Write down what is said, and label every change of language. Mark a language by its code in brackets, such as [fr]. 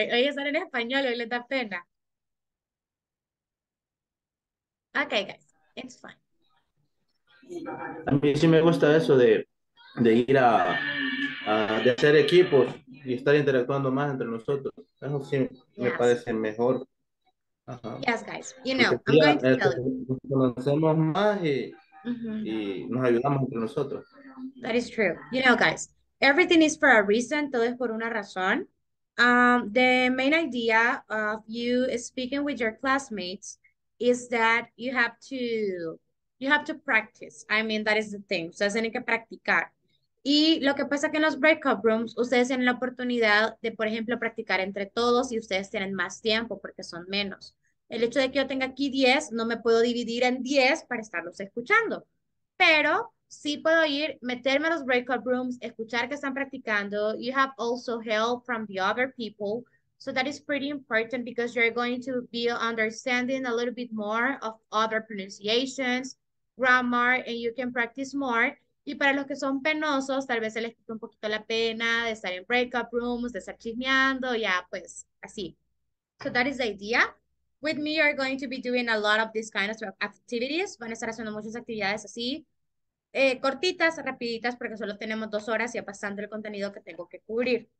[es] Hoy están en español, hoy les da pena. [en] Okay, guys, it's fine. [es] A mí sí me gusta eso de ir a de hacer equipos y estar interactuando más entre nosotros. Eso sí me [en] yes. [es] parece mejor. Ajá. [en] Yes, guys, you know, I'm going to tell you. [es] Nos conocemos más y nos ayudamos entre nosotros. [en] That is true. You know, guys, everything is for a reason, [es] todo es por una razón. [en] The main idea of you speaking with your classmates is that you have to practice. I mean, that is the thing. [es] Ustedes tienen que practicar. Y lo que pasa es que en los breakout rooms, ustedes tienen la oportunidad de, por ejemplo, practicar entre todos y ustedes tienen más tiempo porque son menos. El hecho de que yo tenga aquí 10, no me puedo dividir en 10 para estarlos escuchando. Pero sí puedo ir, meterme a los breakout rooms, escuchar que están practicando. [en] You have also help from the other people. So that is pretty important because you're going to be understanding a little bit more of other pronunciations, grammar, and you can practice more. [es] Y para los que son penosos, tal vez se les quita un poquito la pena de estar en breakout rooms, de estar chismeando, ya, pues, así. [en] So that is the idea. With me, you're going to be doing a lot of these kinds of activities. [es] Van a estar haciendo muchas actividades así. Cortitas, rapiditas, porque solo tenemos 2 horas y ya pasando el contenido que tengo que cubrir.